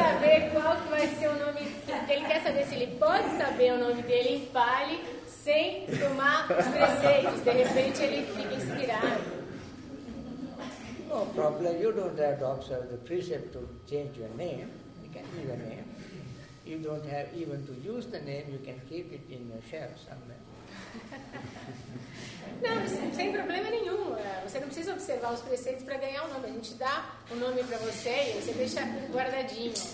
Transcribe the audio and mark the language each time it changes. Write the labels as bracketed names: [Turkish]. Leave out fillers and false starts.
[Portuguese] Ele quer saber se ele pode saber o nome dele em Pali sem tomar os preceitos. De repente ele fica inspirado. [English] No problem, you don't have to observe the precept to change your name. You can keep your name. You don't have even to use the name, you can keep it in your shelf somewhere. [Portuguese] Não, sem problema nenhum. Você não precisa observar os preceitos para ganhar o nome. A gente dá o nome para você e você deixa guardadinho.